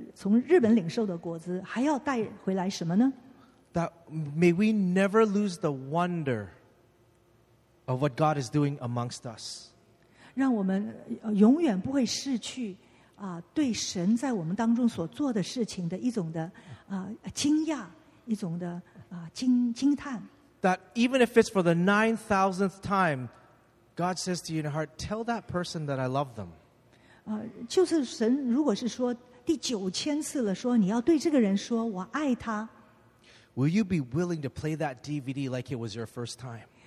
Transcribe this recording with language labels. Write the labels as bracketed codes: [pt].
[zh] 所以呢,除了分享这个从日本领受的果子, 还要带回来什么呢? [en] That may we never lose the wonder of what God is doing amongst us. [zh] 让我们永远不会失去 对神在我们当中所做的事情的一种的惊讶,一种的惊叹。 [en] That even if it's for the 9,000th time, God says to you in your heart, tell that person that I love them. [zh] 就是神如果是说第9000次了,说你要对这个人说我爱他。 [en] Will you be willing to play that DVD like it was your first time?